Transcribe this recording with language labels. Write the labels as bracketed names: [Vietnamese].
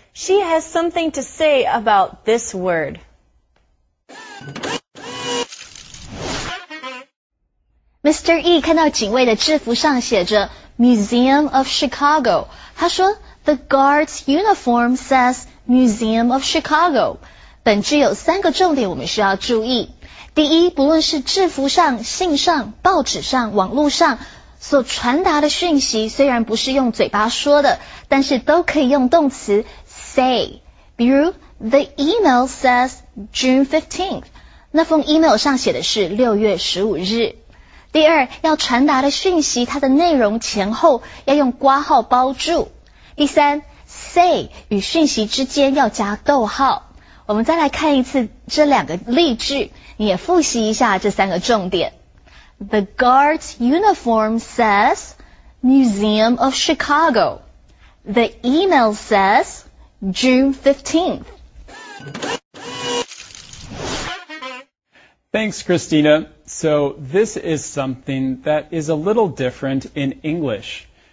[English] She has something to say about this word. Mr. [Chinese] E 看到警卫的制服上写着 Museum of Chicago， 他说 [English] The guard's uniform says Museum of Chicago。 [Chinese] 本句有三个重点我们需要注意。第一，不论是制服上、信上、报纸上、网络上所传达的讯息，虽然不是用嘴巴说的，但是都可以用动词 say。比如 [English] The email says June 15th， [Chinese] 那封 email 上写的是6月15日。第二，要传达的讯息，它的内容前后要用括号包住。第三， say 与讯息之间要加逗号。我们再来看一次这两个例句，你也复习一下这三个重点。 [English] The guard's uniform says Museum of Chicago. The email says June 15th. Thanks, Christina. So this is something that is a little different in English.